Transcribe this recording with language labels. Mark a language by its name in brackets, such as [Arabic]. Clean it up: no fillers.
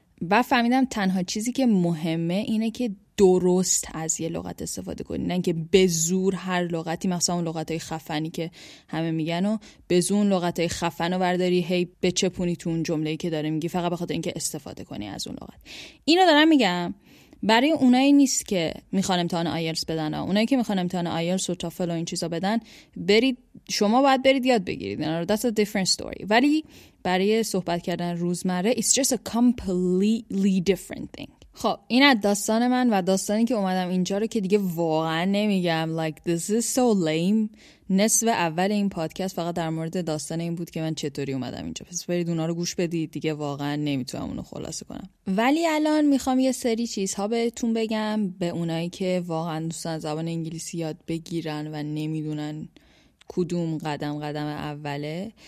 [Persian] و فهمیدم تنها چیزی که مهمه اینه که درست از یه لغت استفاده کنی، نه که به زور هر لغتی، مثلا اون لغتای خفنی که همه میگن و به زور اون لغتای خفن رو برداری هی بچپونی تو اون جمله‌ای که داره میگی فقط بخاطر اینکه استفاده کنی از اون لغت. اینو دارم میگم برای اونایی نیست که میخوان امتحان آیلتس بدن. اونایی که میخوان امتحان آیلتس و تافل و این چیزا بدن، برید شما باید برید یاد بگیرید. [English] That's a different story. [Persian] ولی برای صحبت کردن روزمره [English] it's just a completely different thing. [Persian] خب این از داستان من و داستانی که اومدم اینجا رو که دیگه واقعا نمیگم [English] like this is so lame. [Persian] نصف اول این پادکست فقط در مورد داستان این بود که من چطوری اومدم اینجا، پس برید اونا رو گوش بدید، دیگه واقعا نمیتونم اونو خلاصه کنم. ولی الان میخوام یه سری چیزها بهتون بگم، به اونایی که واقعا دوستان زبان انگلیسی یاد بگیرن و نمیدونن کدوم قدم اوله.